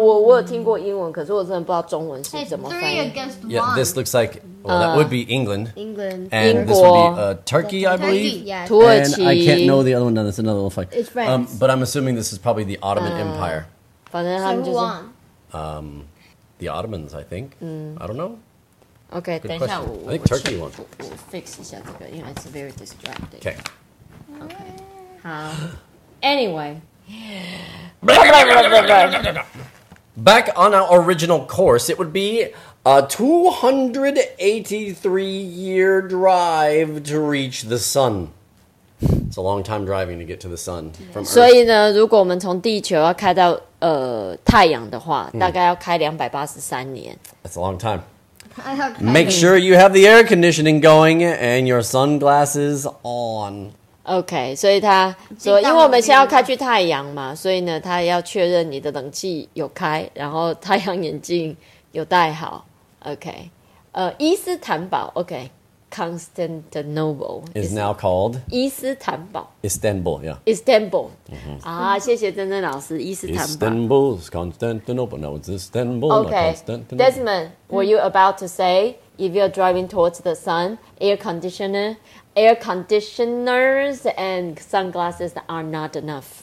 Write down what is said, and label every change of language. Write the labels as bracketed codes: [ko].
[zh] 我有听过英文，可是我真的不知道中文是怎么翻译。 [en] Three against one. Yeah, this looks like well, that would be England. England. And this would be Turkey, I believe. Turkey. Yeah. And I can't know the other one. That's another little fight. It's France. But I'm assuming this is probably the Ottoman Empire. [zh] 反正他们就是。 [en] The Ottomans, I think. I don't know. [zh] Okay, 等一下，我 [en] I think Turkey won. [zh] 我 fix 一下这个，因为 [en] it's very distracting. Okay. Anyway. Back on our original course, it would be a 283-year drive to reach the sun. It's a long time driving to get to the sun from Earth. [zh] 所以呢，如果我们从地球要开到太阳的话，大概要开283年。 [en] That's a long time. Make sure you have the air conditioning going and your sunglasses on. [zh] OK, 所以他说因为我们现在要开去太阳嘛，所以呢他要确认你的冷气有开，然后太阳眼镜有戴好。 OK, 伊斯坦堡 OK, Constantinople [en] is now called [zh] 伊斯坦堡 [en] Istanbul, yeah. Istanbul.、Mm-hmm. [zh] 啊，谢谢珍珍老师，伊斯坦堡 [en] Istanbul is Constantinople, no, it's Istanbul, okay, not Constantinople. Desmond, were you about to say if you're driving towards the sun, air conditioner,Air conditioners and sunglasses are not enough.